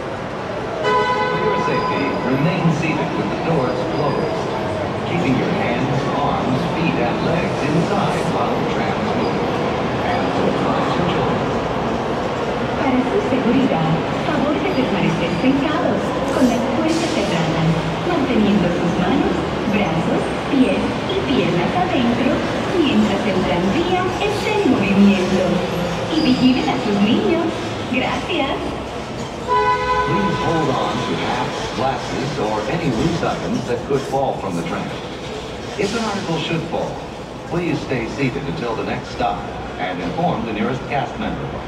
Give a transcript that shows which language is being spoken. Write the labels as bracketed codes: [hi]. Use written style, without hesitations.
[en] For your safety, remain seated with the doors closed, keeping your hands, arms, feet, and legs inside while the tram moves. And supervise your children. [es] Para su seguridad, favor de permanecer sentados con las puertas cerradas, manteniendo sus manos, brazos, pies y piernas adentro mientras el tranvía esté en movimiento. Y vigilen a sus niños. Gracias. [en] Please hold on to hats, glasses, or any loose items that could fall from the train. If an article should fall, please stay seated until the next stop and inform the nearest cast member.